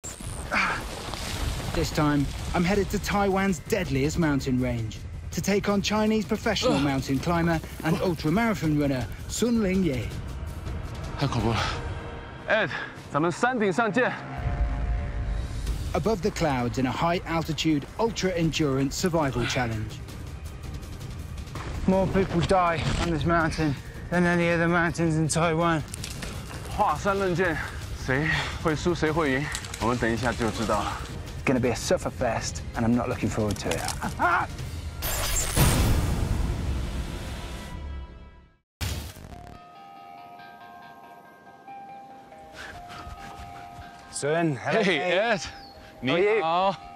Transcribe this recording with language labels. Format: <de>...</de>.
<en>This time, I'm headed to Taiwan's deadliest mountain range to take on Chinese professional mountain climber and ultramarathon runner, 순링예.</en> <zh>太恐怖了。哎，咱们山顶上见。</zh> <en>Above the clouds in a high-altitude, ultra-endurance survival challenge. More people die on this mountain than any other mountains in Taiwan.</en> <zh>华山论剑，谁会输谁会赢，我们等一下就知道了。</zh> <en>Gonna be a suffer fest, and I'm not looking forward to it.</en> <zh>孙</zh> <en>，Hey Ed.</en> <zh>你好</zh>